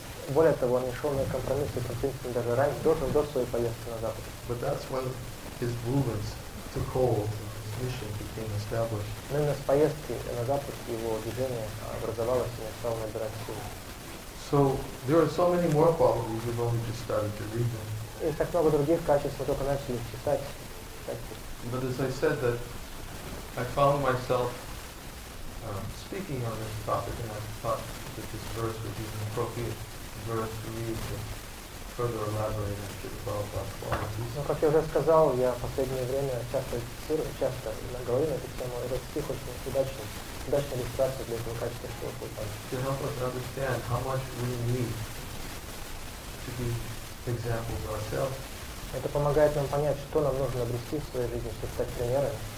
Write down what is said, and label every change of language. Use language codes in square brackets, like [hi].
[ru] Более того, он не шел на компромисс с этим принципом даже раньше, до своей поездки на Запад. [en] But that's when his movements took hold and his mission became established. [ru] Но именно с поездки на Запад его движение образовалось и начало набирать силу. [en] So there are so many more qualities we've only just started to read them. [ru] И так много других качеств мы только начали читать. [en] But as I said, that I found myself speaking on this topic, and I thought that this verse would be an appropriate verse for me to further elaborate on Srila Prabhupada's qualities. [ru] Но как я уже сказал, я в последнее время часто говорю на эту тему. Этот стих очень удачная иллюстрация для этого качества Шрилы Прабхупады. [en] To help us understand how much we need to be examples ourselves. [ru] Это помогает нам понять, что нам нужно обрести в своей жизни, чтобы стать примерами.